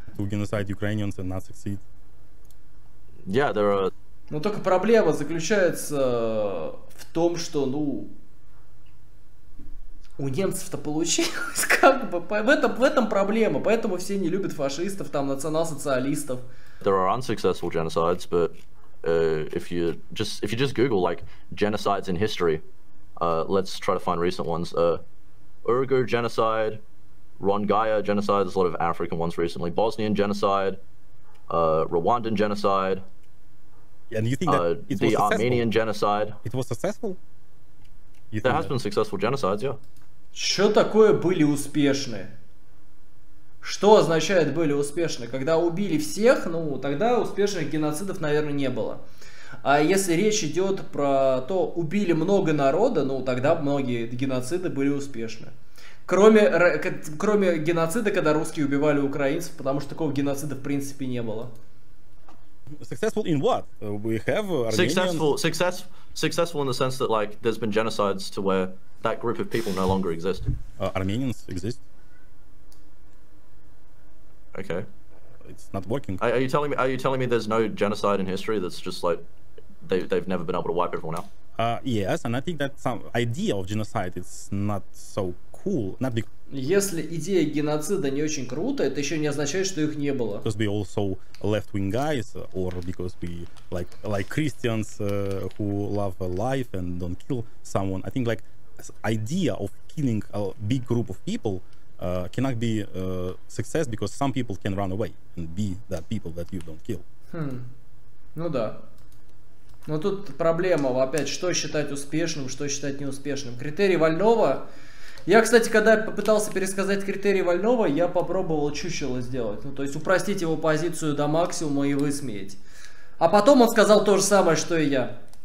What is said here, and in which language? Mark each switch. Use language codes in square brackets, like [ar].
[en] To genocide Ukrainians and not succeed. Yeah, there are... [ru] Ну только проблема заключается в том, что, ну... У немцев-то получилось, как бы, в этом проблема, поэтому все не любят фашистов, там, национал-социалистов. [en] There are unsuccessful genocides, but if you just Google, like, genocides in history, let's try to find recent ones. Uyghur genocide, Rohingya genocide, there's a lot of African ones recently, Bosnian genocide, Rwandan genocide, and you think that the Armenian genocide. It was successful? There has been successful genocides, yeah. [ru] Что такое были успешны? Что означает были успешны? Когда убили всех, ну, тогда успешных геноцидов, наверное, не было. А если речь идет про то, убили много народа, ну, тогда многие геноциды были успешны. Кроме геноцида, когда русские убивали украинцев, потому что такого геноцида в принципе не было. [en] Successful in what? We have Armenians. Successful in the sense that like there's been genocides to where that group of people no longer exist. Armenians exist. Okay. It's not working. Are you telling me there's no genocide in history that's just like they've never been able to wipe everyone out? Yes, and I think that some idea of genocide is not so cool. Not because. [ru] Если идея геноцида не очень круто, это еще не означает, что их не было. [en] Because we also left-wing guys, or because we like Christians who love life and don't kill someone. I think like idea of killing a big group of people cannot be success because some people can run away and be that people that you don't kill. [ru] Ну да. Но тут проблема опять, что считать успешным, что считать неуспешным. Критерий Вольного. Я, кстати, когда попытался пересказать критерии Вольного, я попробовал чучело сделать. Ну, то есть упростить его позицию до максимума и высмеять. А потом он сказал то же самое, что и я.